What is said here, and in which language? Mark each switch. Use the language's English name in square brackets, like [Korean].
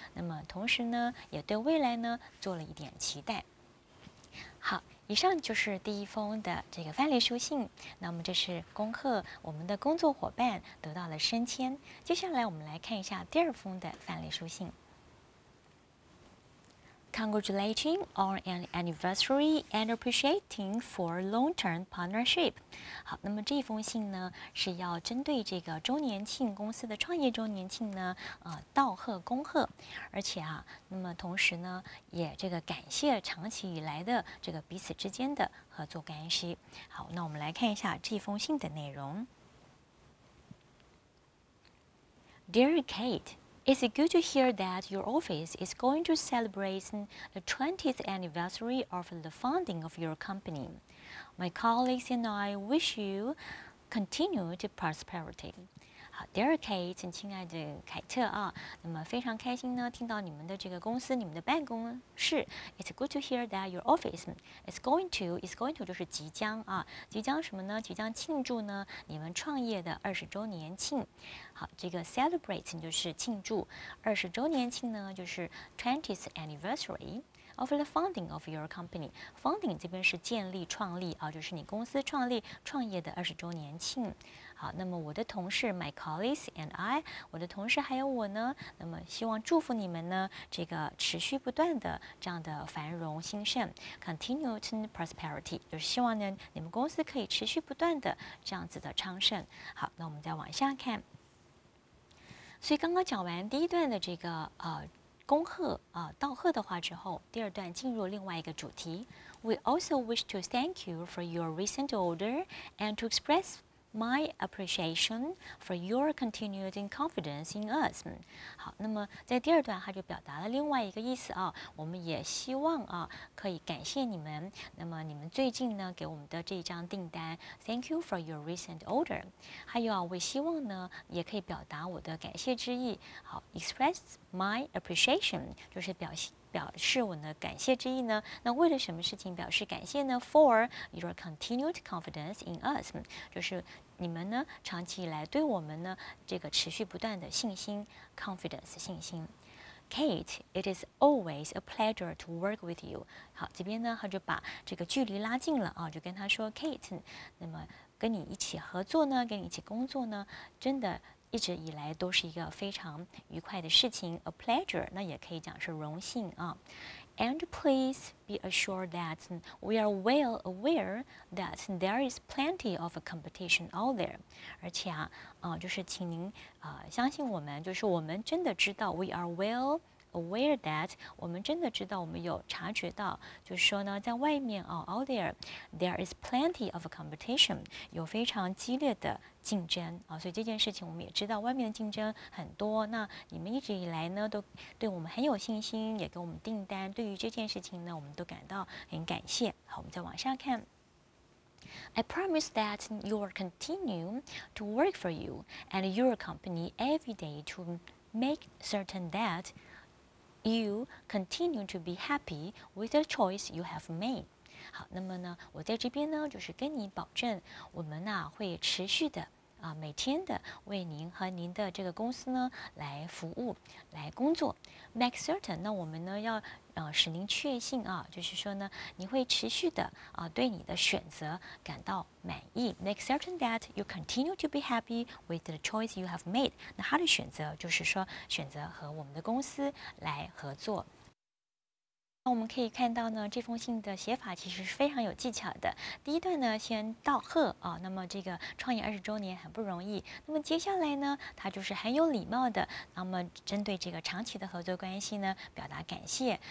[Chinese] 那么同时呢，也对未来呢，做了一点期待。好，以上就是第一封的这个范例书信。那么这是恭贺我们的工作伙伴得到了升迁。接下来我们来看一下第二封的范例书信。 [English] Congratulating on an anniversary and appreciating for long-term partnership. [Chinese] 好，那么这封信呢，是要针对这个周年庆公司的创业周年庆呢，道贺恭贺，而且啊，那么同时呢，也这个感谢长期以来的这个彼此之间的合作关系。好，那我们来看一下这封信的内容。 [English] Dear Kate. It's good to hear that your office is going to celebrate the 20th anniversary of the founding of your company. My colleagues and I wish you continued prosperity. [Chinese] 好 ，Dear Kate， 亲爱的凯特啊，那么非常开心呢，听到你们的这个公司，你们的办公室。 [English] It's good to hear that your office is going to， is going to [Chinese] 就是即将啊，即将什么呢？即将庆祝呢你们创业的20周年庆。好，这个 celebrate 就是庆祝20周年庆呢，就是 20th anniversary。 [English] Of the founding of your company, [Chinese] founding 这边是建立、创立啊，就是你公司创立、创业的20周年庆。好，那么我的同事 ， [English] my colleagues and I， [Chinese] 我的同事还有我呢，那么希望祝福你们呢，这个持续不断的这样的繁荣兴盛 ，continued prosperity， 就是希望呢你们公司可以持续不断的这样子的昌盛。好，那我们再往下看。所以刚刚讲完第一段的这个恭贺啊，道贺的话之后，第二段进入另外一个主题。 [English] We also wish to thank you for your recent order and to express my appreciation for your continued confidence in us. [Chinese] 好，那么在第二段，他就表达了另外一个意思啊，我们也希望啊，可以感谢你们。那么你们最近呢，给我们的这一张订单 ， [English] Thank you for your recent order. [Chinese] 还有啊，我希望呢，也可以表达我的感谢之意。好 ，express my appreciation 就是表示我的感谢之意呢，那为了什么事情表示感谢呢 ？ [English] For your continued confidence in us， [Chinese] 就是你们呢长期以来对我们呢这个持续不断的信心 ，confidence 信心。 [English] Kate, it is always a pleasure to work with you。 [Chinese] 好，这边呢他就把这个距离拉近了啊，就跟他说 ，Kate， 那么跟你一起合作呢，跟你一起工作呢，真的一直以来都是一个非常愉快的事情 a pleasure, 那也可以讲是荣幸啊。 [English] And please be assured that we are well aware that there is plenty of competition out there. [Chinese] 而且啊，就是请您相信我们，就是我们真的知道 [English] we are well aware that [Chinese] 我们真的知道，我们有察觉到，就是说呢，在外面啊 ，out there, [English] there is plenty of competition. [Chinese] 有非常激烈的竞争啊，所以这件事情我们也知道，外面的竞争很多。那你们一直以来呢，都对我们很有信心，也给我们订单。对于这件事情呢，我们都感到很感谢。好，我们再往下看。 [English] I promise that you will continue to work for you and your company every day to make certain that you continue to be happy with the choice you have made. [Chinese] 好，那么呢，我在这边呢，就是跟你保证，我们呢会持续的啊，每天的为您和您的这个公司呢来服务，来工作。 Make certain， 那我们呢要使您确信啊，就是说呢，你会持续的啊对你的选择感到满意。 [English] Make certain that you continue to be happy with the choice you have made。 [Chinese] 那他的选择就是说选择和我们的公司来合作。那我们可以看到呢，这封信的写法其实是非常有技巧的。第一段呢，先道贺啊，那么这个创业二十周年很不容易。那么接下来呢，他就是很有礼貌的，那么针对这个长期的合作关系呢，表达感谢。